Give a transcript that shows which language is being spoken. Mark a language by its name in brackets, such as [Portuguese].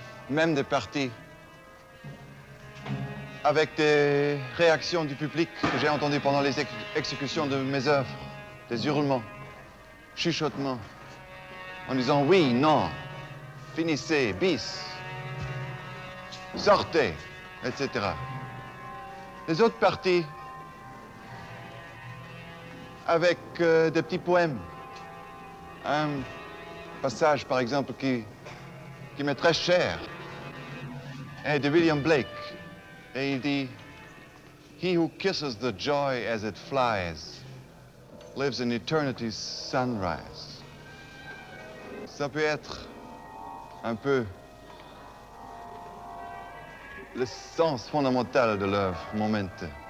[French] Même des parties avec des réactions du public que j'ai entendues pendant les exécutions de mes œuvres, des hurlements, chuchotements, en disant oui, non, finissez, bis, sortez, etc. Les autres parties avec des petits poèmes. Un passage, par exemple, qui m'est très cher, est de William Blake. Et il dit, [English] he who kisses the joy as it flies lives in eternity's sunrise. [French] Ça peut être un peu le sens fondamental de l'œuvre, Momente.